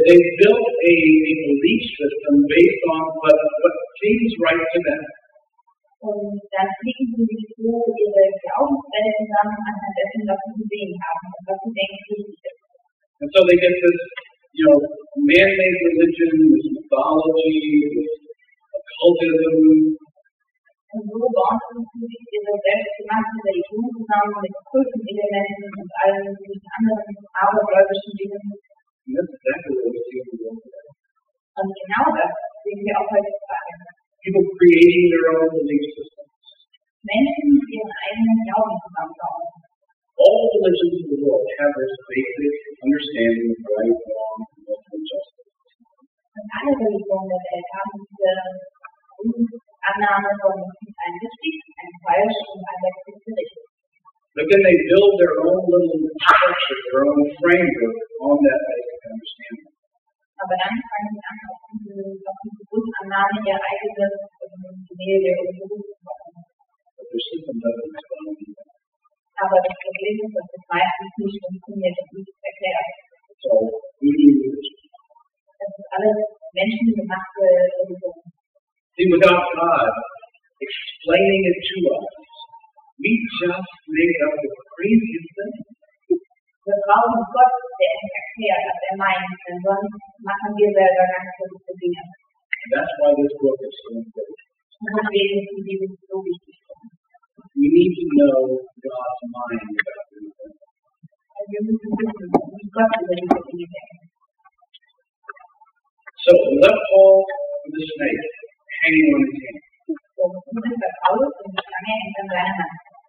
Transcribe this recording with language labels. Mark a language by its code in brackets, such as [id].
[en] they built a belief system based on what seems right to them. [de] Und dann blicken sie sich so ihre Glaubensquelle zusammen anhand dessen, was sie gesehen haben und was sie denken, richtig ist. [en] And so they get this, you know, man-made religion, this mythology, this occultism. [de] Und so bauen sie sich ihre selbstgemachte Religion zusammen mit Kultenelementen und all diesen anderen abergläubischen Dingen. [en] And that's exactly what we see in the world today. [de] Und genau das sehen wir auch heutzutage. [en] People creating their own belief systems. [de] Menschen, die ihren eigenen Glauben zusammenbauen. [en] All religions in the world have this basic understanding of right, wrong, and ultimate justice. [de] Und alle Religionen der Welt haben diese Grundannahme von ein richtig, ein falsch und ein letztes Gericht. [en] But then they build their own little structure, their own framework on that basic understanding. [de] Aber dann fangen sie an, auf diese Grundannahme ihr eigenes Gemälde irgendwo zu machen. Aber das Problem ist, dass es meistens nicht funktioniert und nicht erklärt. [en] So, religion. [de] Das ist alles menschengemachte Religion. [en] See, without God explaining it to us, we just make up the craziest things. [de] Wir brauchen Gott, der uns erklärt, was er meint, denn sonst machen wir selber ganz verrückte Dinge. [en] That's why this book is so important. [de] Und deswegen ist dieses Buch so wichtig. [en] We need to know God's mind about these things. [de] Und wir müssen wissen, wie Gott über diese Dinge denkt. [en] So, we left Paul with the snake hanging on his hand. [de] So, wir sind bei Paulus und die Schlange hängt an seiner Hand.